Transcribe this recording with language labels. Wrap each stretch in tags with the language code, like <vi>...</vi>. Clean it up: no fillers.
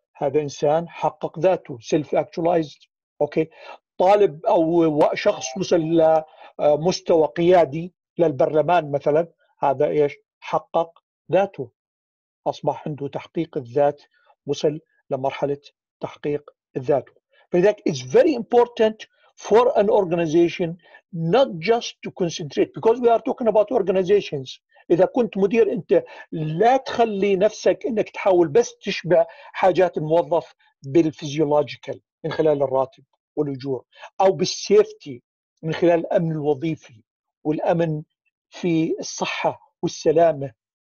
<ar>هذا إنسان حقق ذاته.</ar> <en>Self-actualized. Okay.</en> <ar>طالب أو شخص وصل لمستوى قيادي للبرلمان مثلا. هذا إيش؟ حقق ذاته أصبح عنده تحقيق الذات وصل لمرحلة تحقيق الذات</ar> <en>لذلك it's very important for an organization not just to concentrate because we are talking about organizations.</en> <ar>إذا كنت مدير أنت لا تخلي نفسك أنك تحاول بس تشبع حاجات الموظف بالفيزيولوجيكال من خلال الراتب والأجور أو بالسيفتي من خلال الأمن الوظيفي والأمن في الصحة والسلامة</ar>